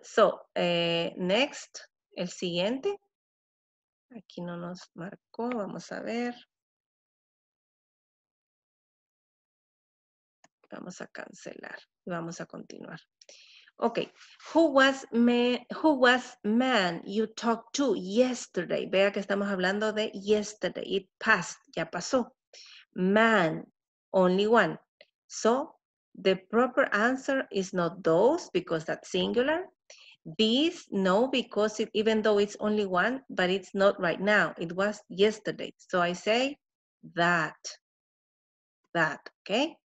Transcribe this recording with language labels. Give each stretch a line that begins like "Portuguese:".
English: So, next,
Spanish: el siguiente. Aquí no nos marcó, vamos a ver. Vamos a cancelar, vamos a continuar.
English: Okay, who was man you talked to yesterday?
Spanish: Vea que estamos hablando de yesterday,
English: it passed,
Spanish: ya pasó.
English: Man, only one. So, the proper answer is not those, because that's singular. These, no, because it, even though it's only one, but it's not right now, it was yesterday. So I say that, okay?